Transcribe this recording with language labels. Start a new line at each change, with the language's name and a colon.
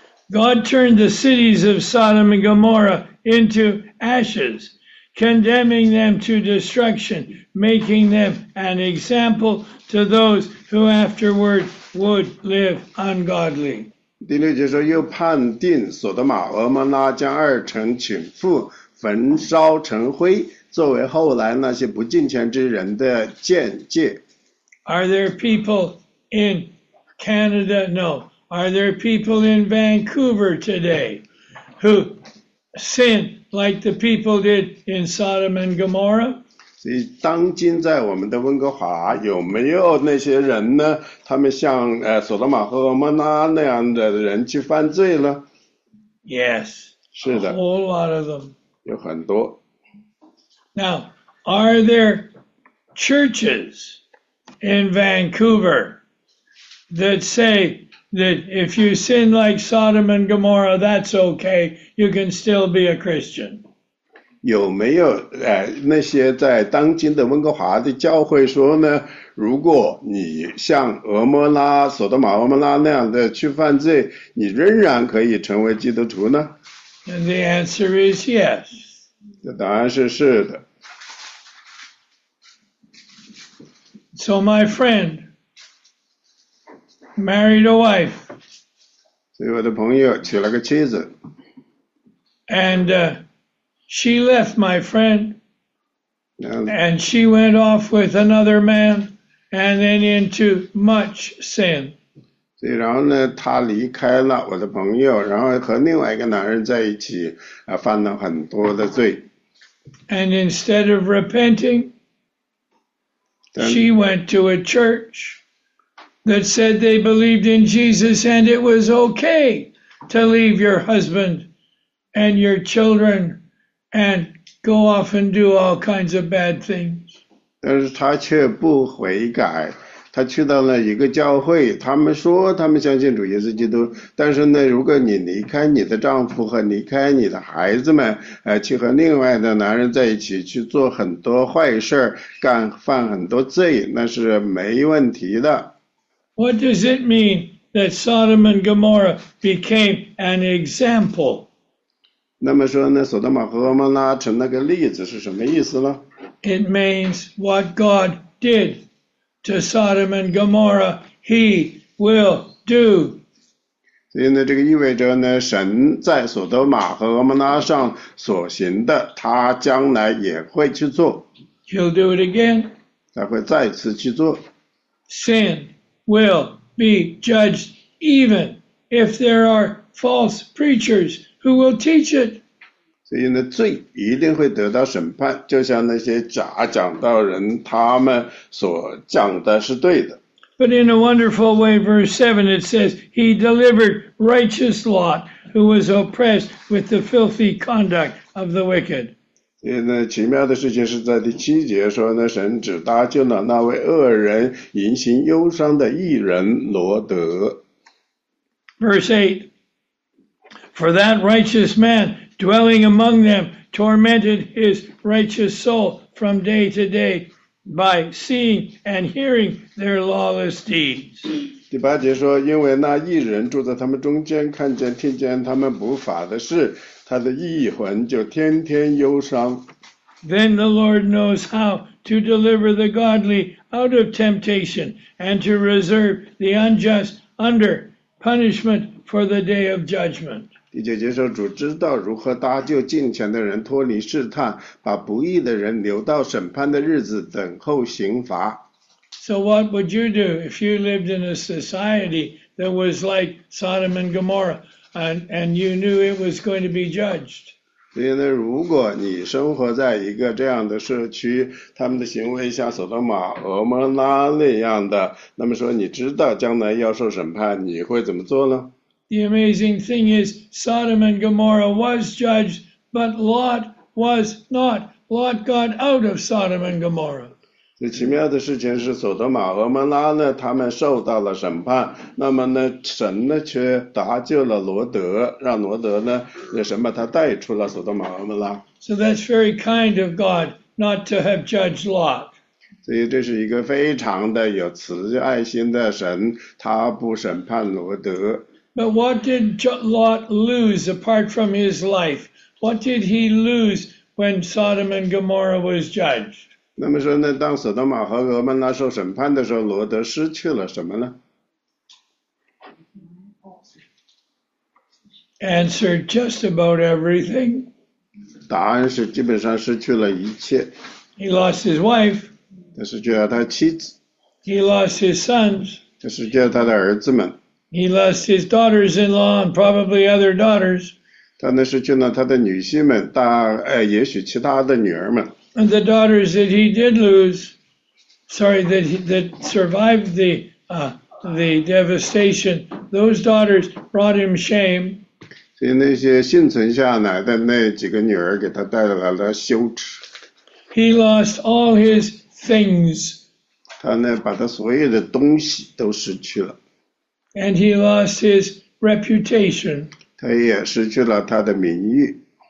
English: God turned the cities of Sodom and Gomorrah into ashes, condemning them to destruction, making them an example to those who afterward would live ungodly.
Chinese: 第六节说，又判定索多玛、俄摩拉将二城倾覆。焚烧成灰，作为后来那些不敬虔之人的鉴戒。
English: Are there people in Canada? No. Are there people in Vancouver today who sin like the people did in Sodom and Gomorrah?
Chinese: 所以，当今在我们的温哥华，有没有那些人呢？他们像索多玛和蛾摩拉那样的人去犯罪了
English: ？Yes.
Chinese: 是的。
English: A whole lot of them.
Chinese: 有很多。
English: Now, are there churches in Vancouver that say that if you sin like Sodom and Gomorrah, that's okay, you can still be a Christian?
Chinese: 有没有那些在当今的温哥华的教会说呢，如果你像俄摩拉、索多玛、俄摩拉那样的去犯罪，你仍然可以成为基督徒呢？
English: And the answer is yes.
Chinese: 这答案是是的。
English: So my friend married a wife.
Chinese: 所以我的朋友娶了个妻子。
English: And she left my friend. And she went off with another man and then into much sin.
Chinese: 所以然后呢，他离开了我的朋友，然后和另外一个男人在一起，犯了很多的罪。
English: And instead of repenting, she went to a church that said they believed in Jesus and it was okay to leave your husband and your children and go off and do all kinds of bad things.
Chinese: 但是他却不悔改。他去到了一个教会，他们说他们相信主耶稣基督，但是呢，如果你离开你的丈夫和离开你的孩子们，去和另外的男人在一起，去做很多坏事，干犯很多罪，那是没问题的。
English: What does it mean that Sodom and Gomorrah became an example?
Chinese: 那么说呢，索多玛和俄摩拉成了个例子是什么意思呢？
English: It means what God did. To Sodom and Gomorrah, he will do.
Chinese: 所以呢，这个意味着呢，神在索多玛和俄摩拉上所行的，他将来也会去做。
English: He'll do it again.
Chinese: 他会再次去做。
English: Sin will be judged even if there are false preachers who will teach it.
Chinese: 所以呢，罪一定会得到审判，就像那些假讲道人他们所讲的是对的。
English: But in a wonderful way, verse 7, it says, He delivered righteous Lot, who was oppressed with the filthy conduct of the wicked.
Chinese: 所以呢，奇妙的事情是在第七节说呢，神只搭救了那位恶人、言行忧伤的义人罗德。
English: Verse 8, For that righteous man,Dwelling among them, tormented his righteous soul from day to day by seeing and hearing their lawless deeds.
Chinese: 第八节说，因为那义人住在他们中间，看见、听见他们不法的事，他的义魂就天天忧伤。
English: Then the Lord knows how to deliver the godly out of temptation and to reserve the unjust under punishment for the day of judgment.
Chinese: 第九节说，主知道如何搭救敬虔的人脱离试探，把不义的人留到审判的日子等候刑罚。
English: So what would you do if you lived in a society that was like Sodom and Gomorrah, and you knew it was going to be judged?
Chinese: 所以呢，如果你生活在一个这样的社区，他们的行为像索多玛、俄摩拉那样的，那么说你知道将来要受审判，你会怎么做呢？
English: The amazing thing is, Sodom and Gomorrah was judged, but Lot was not. Lot got out of Sodom and Gomorrah.
Chinese: 最奇妙的事情是，索多玛、俄摩拉呢，他们受到了审判，那么呢，神呢却搭救了罗德，让罗德呢，那神把他带出了索多玛、俄摩拉。
English: So that's very kind of God not to have judged Lot.
Chinese: 所以这是一个非常的有慈爱心的神，他不审判罗德。
English: But what did Lot lose apart from his life? What did he lose when Sodom and Gomorrah was judged?
Chinese: 那么说呢，当索多玛和俄摩拉受审判的时候，罗德失去了什么呢？
English: Answer, just about everything.
Chinese: 答案是基本上失去了一切。
English: He lost his wife.
Chinese: 他失去了他妻子。
English: He lost his sons.
Chinese: 他失去了他的儿子们。
English: He lost his daughters-in-law and probably other daughters.
Chinese: 他呢失去了他的女婿们，大也许其他的女儿们。
English: And the daughters that he did lose, sorry, that survived the devastation, those daughters brought him shame.
Chinese: 所以那些幸存下来的那几个女儿给他带来了羞耻。
English: He lost all his things.
Chinese: 他呢把他所有的东西都失去了。
English: And he lost his reputation.
Chinese: 他也失去了他的名誉。